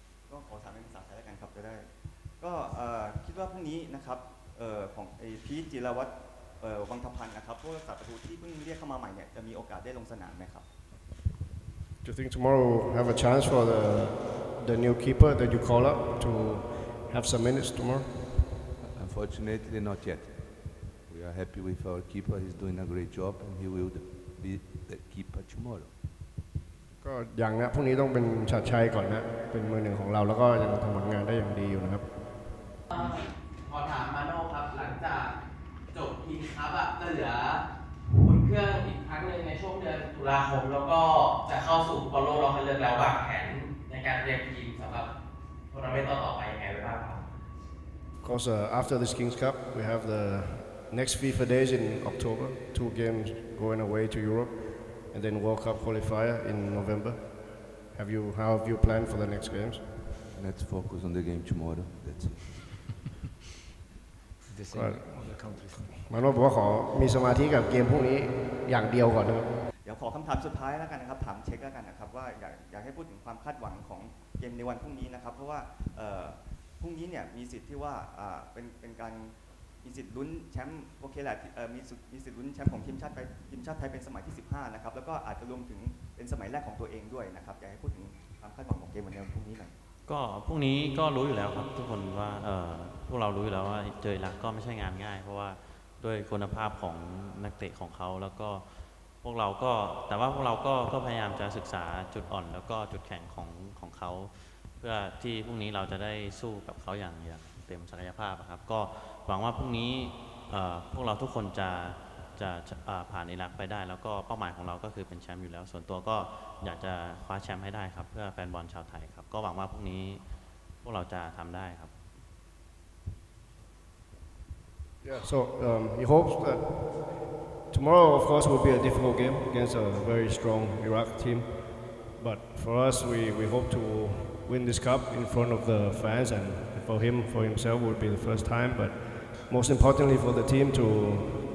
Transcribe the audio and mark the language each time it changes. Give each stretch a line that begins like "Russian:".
Thai: ก็ขอถามเป็นภาษาไทยแล้วกันครับจะได้ก็คิดว่าพรุ่งนี้นะครับของไอ้พีชจิรวัฒน์วังทพันธ์นะครับผู้รักษาประตูที่เพิ่งเรียกเข้ามาใหม่เนี่ยจะมีโอกาสได้ลงสนามไหมครับ
English: Do you think tomorrow have a chance for the new keeper that you call up to have some minutes tomorrow? Unfortunately, not yet. We are happy with our keeper. He's doing a great job, and he will be. The keeper tomorrow.
Thai: ก็อย่างนะพรุ่งนี้ต้องเป็นชัดชัยก่อนนะเป็นมือหนึ่งของเราแล้วก็ยังทำผลงานได้อย่างดีอยู่นะครับ ขอถามมาโน่ครับหลังจากจบทีมครับจะเหลือคุณเครื่องอีกครั้งหนึ่งในช่วงเดือนตุลาคมแล้วก็จะเข้าสู่บอลโลกรอบคัดเลือกแล้ววางแผนในการเตรียมทีมสำหรับทัวร์นาเมนต์ต่อไปยังไงบ้างครับ
English: Because after this Kings Cup we have the next FIFA days in October 2 games going away to EuropeAnd then World Cup qualifier in November. How have you planned for the next games? Let's focus on the game tomorrow. That's it. The same on the countries.
Thai: Mano บอกว่าขอมีสมาธิกับเกมพรุ่งนี้อย่างเดียวก่อนนะครับ เดี๋ยวขอคำถามสุดท้ายแล้วกันนะครับถามเช็คแล้วกันนะครับว่าอยากให้พูดถึงความคาดหวังของเกมในวันพรุ่งนี้นะครับเพราะว่าพรุ่งนี้เนี่ยมีสิทธิ์ที่ว่าเป็นการมีสิทธิ์ลุ้นแชมป์โอเคแหละมีสิทธิ์ลุ้นแชมป์ของทีมชาติไทยเป็นสมัยที่15นะครับแล้วก็อาจจะรวมถึงเป็นสมัยแรกของตัวเองด้วยนะครับอยากให้พูดถึงความคาดหวังของเกมในวันพรุ่งนี้หน่อย ก็พรุ่งนี้ก็รู้อยู่แล้วครับทุกคนว่าพวกเรารู้อยู่แล้วว่าเจอรักก็ไม่ใช่งานง่ายเพราะว่าด้วยคุณภาพของนักเตะของเขาแล้วก็พวกเราก็แต่ว่าพวกเราก็พยายามจะศึกษาจุดอ่อนแล้วก็จุดแข็งของเขาเพื่อที่พรุ่งนี้เราจะได้สู้กับเขาอย่างเต็มศักยภาพครับก็หวังว่าพรุ่งนี้พวกเราทุกคนจะ ผ่านอิรักไปได้แล้วก็เป้าหมายของเราก็คือเป็นแชมป์อยู่แล้วส่วนตัวก็อยากจะคว้าแชมป์ให้ได้ครับเพื่อแฟนบอลชาวไทยครับก็หวังว่าพรุ่งนี้พวกเราจะทำได้ครับ
English: Yeah so he hopes that tomorrow of course will be a difficult game against a very strong Iraq team but for us we hope to win this cup in front of the fans andfor himself would be the first time, but most importantly for the team to